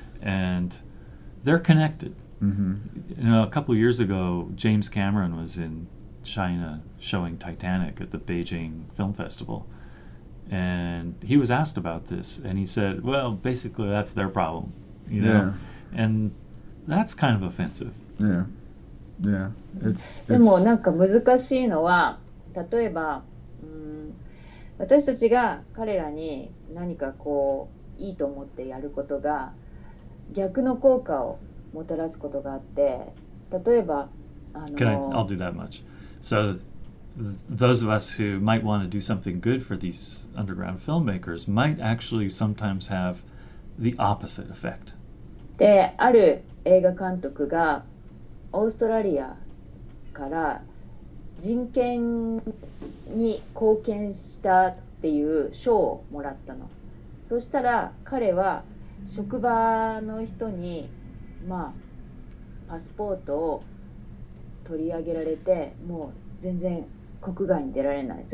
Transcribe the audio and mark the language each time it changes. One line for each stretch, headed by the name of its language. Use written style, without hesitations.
English: And they're connected. Mm-hmm. You know, a couple of years ago, James Cameron was in China showing Titanic at the Beijing Film Festival. And he was asked about this, and he said, well, basically that's their problem. You know? And that's kind of offensive.
Japanese: でもなんか難しいのは、例えば、私たちが彼らに何かこういいと思ってやることが逆の効果をもたらすことがあって、例えば
English: Can I'll do that much. So those of us who might want to do something good for these underground filmmakers might actually sometimes have the opposite effect.
Japanese: で、ある映画監督がオーストラリアから人権に貢献したっていう賞をもらったの。そしたら彼は職場の人にまあパスポートを取り上げられて、もう全然国外に出られない。